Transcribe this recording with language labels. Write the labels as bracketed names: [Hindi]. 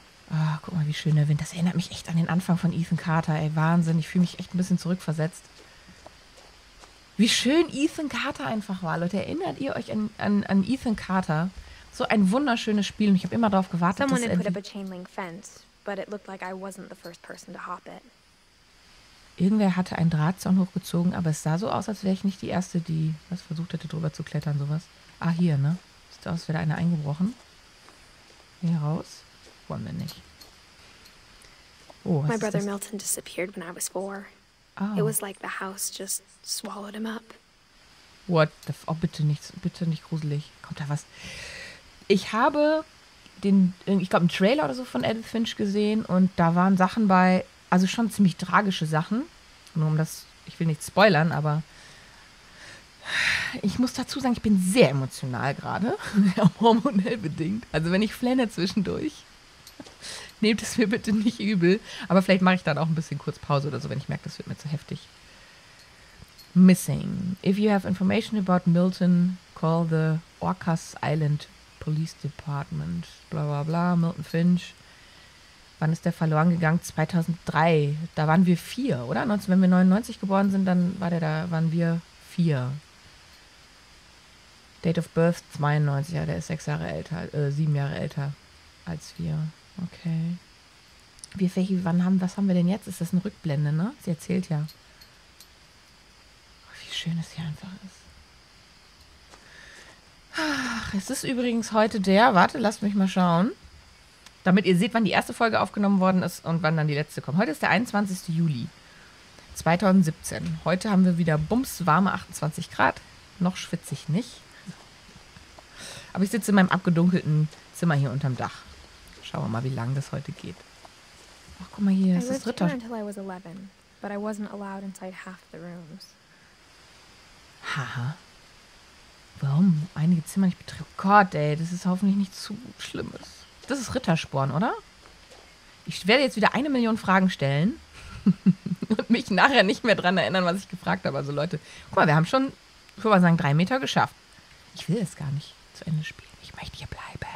[German] Ah, guck mal, wie schön der Wind. Das erinnert mich echt an den Anfang von Ethan Carter. Ey, Wahnsinn. Ich fühle mich echt ein bisschen zurückversetzt. Wie schön Ethan Carter einfach war, Leute. Erinnert ihr euch an Ethan Carter? So ein wunderschönes Spiel und ich habe immer darauf gewartet, dass er... [English] Someone had put up a chain-link fence, but it looked like I wasn't the first person to hop it. [German] Irgendwer hatte einen Drahtzaun hochgezogen, aber es sah so aus, als wäre ich nicht die Erste, die was versucht hätte, drüber zu klettern, sowas. Ah, hier, ne? Sieht aus, als wäre da einer eingebrochen. Hier raus. Wollen wir nicht. Oh, was ist das? [English] My brother Milton disappeared when I was four. Ah. It was like the house just swallowed him up. What the f... [German] Oh, bitte nichts. Bitte nicht gruselig. Kommt da was... Ich habe den, ich glaube, einen Trailer oder so von Edith Finch gesehen und da waren Sachen bei, also schon ziemlich tragische Sachen. Nur um das, ich will nicht spoilern, aber ich muss dazu sagen, ich bin sehr emotional gerade, hormonell bedingt. Also wenn ich flenne zwischendurch, nehmt es mir bitte nicht übel. Aber vielleicht mache ich dann auch ein bisschen kurz Pause oder so, wenn ich merke, das wird mir zu heftig. [English] Missing. If you have information about Milton, call the Orcas Island Police Department, bla bla bla, Milton Finch. [German] Wann ist der verloren gegangen? 2003. Da waren wir vier, oder? Wenn wir 99 geboren sind, dann war der da, waren wir vier. [English] Date of birth [German] 92, ja, der ist sieben Jahre älter als wir. Okay. Was haben wir denn jetzt? Ist das eine Rückblende, ne? Sie erzählt ja. Oh, wie schön es hier einfach ist. Ach, es ist übrigens heute der, warte, lasst mich mal schauen, damit ihr seht, wann die erste Folge aufgenommen worden ist und wann dann die letzte kommt. Heute ist der 21. Juli 2017. Heute haben wir wieder bums warme 28 Grad, noch schwitzig nicht. Aber ich sitze in meinem abgedunkelten Zimmer hier unterm Dach. Schauen wir mal, wie lang das heute geht. Ach, guck mal hier, es ist Ritter. [English] Until I was 11, but I wasn't allowed inside half the rooms. [German] Haha. Warum? Einige Zimmer nicht betrieben. Gott, ey, das ist hoffentlich nicht zu Schlimmes. Das ist Rittersporn, oder? Ich werde jetzt wieder 1 Million Fragen stellen und mich nachher nicht mehr dran erinnern, was ich gefragt habe. Also Leute, guck mal, wir haben schon, ich würde mal sagen, 3 Meter geschafft. Ich will es gar nicht zu Ende spielen. Ich möchte hier bleiben.